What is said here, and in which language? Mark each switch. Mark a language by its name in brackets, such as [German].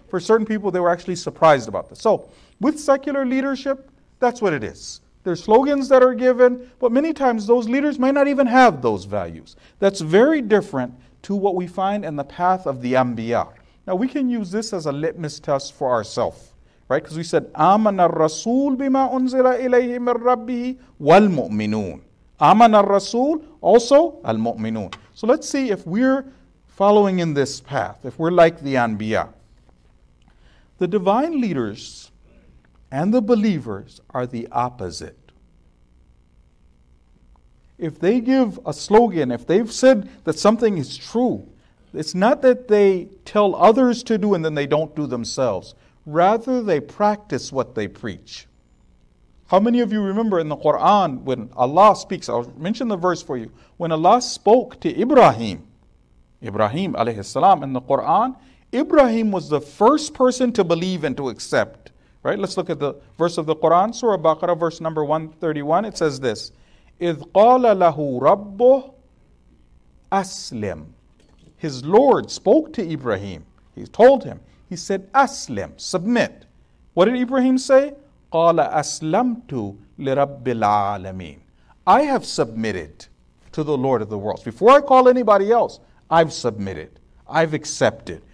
[English] For certain people, they were actually surprised about this. So with secular leadership, that's what it is. There's slogans that are given, but many times those leaders may not even have those values. That's very different to what we find in the path of the Anbiya. Now we can use this as a litmus test for ourselves, right? Because we said, [Arabic] آمن الرسول بما أنزل إليه من ربه والمؤمنون. آمن الرسول, also المؤمنون. [English] So let's see if we're following in this path, if we're like the Anbiya. The divine leaders and the believers are the opposite. If they give a slogan, if they've said that something is true, it's not that they tell others to do and then they don't do themselves. Rather, they practice what they preach. How many of you remember in the Quran when Allah speaks? I'll mention the verse for you. When Allah spoke to Ibrahim alayhi salam in the Quran, Ibrahim was the first person to believe and to accept. Right, let's look at the verse of the Quran, Surah Baqarah, verse number 131. It says this, [Arabic] إِذْ قَالَ لَهُ رَبُّهُ أَسْلِمْ. [English] His Lord spoke to Ibrahim. He told him. He said, أَسْلِمْ, submit. What did Ibrahim say? [Arabic] قَالَ أَسْلَمْتُ لِرَبِّ الْعَالَمِينَ. [English] I have submitted to the Lord of the worlds. Before I call anybody else, I've submitted. I've accepted.